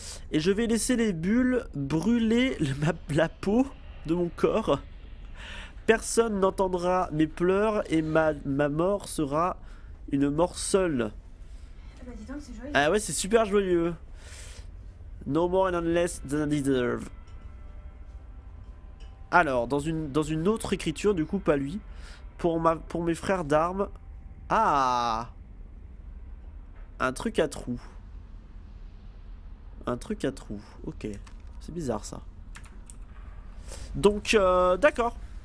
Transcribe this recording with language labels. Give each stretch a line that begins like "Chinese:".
French: Et je vais laisser les bulles brûler la peau de mon corps. Personne n'entendra mes pleurs et ma mort sera une mort seule. Bah dis donc, c'est Ah joyeux. ouais, c'est super joyeux.
English: No more and less than I deserve.
French: Alors, dans une autre écriture, du coup, pas lui, pour mes frères d'armes. Ah! Un truc à trous. Un truc à trous. Ok. C'est bizarre ça. Donc, d'accord.